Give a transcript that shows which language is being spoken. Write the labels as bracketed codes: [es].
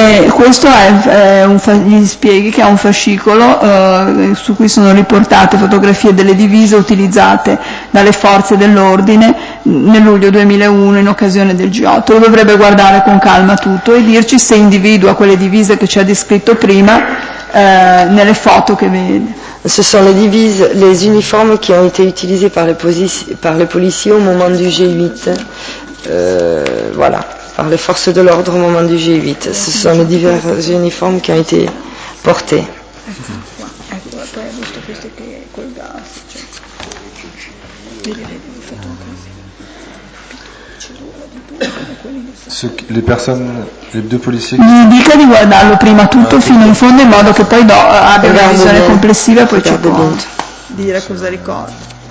[it] Questo è gli spieghi che è un fascicolo su cui sono riportate fotografie delle divise utilizzate dalle forze dell'ordine nel luglio 2001 in occasione del G8. Lo dovrebbe guardare con calma tutto e dirci se individua quelle divise che ci ha descritto prima nelle foto che vede. [fr] Ce sont les divises, les uniformes qui ont été utilisés par les policiers au moment du G8. Voilà. Par les forces de l'ordre au moment du G8. Ce sont les divers uniformes qui ont été portés. Les personnes, les deux policiers. [it] Mi dica di guardarlo prima tutto fino in fondo in modo che poi abbia una visione complessiva e poi ci può dire cosa ricorda.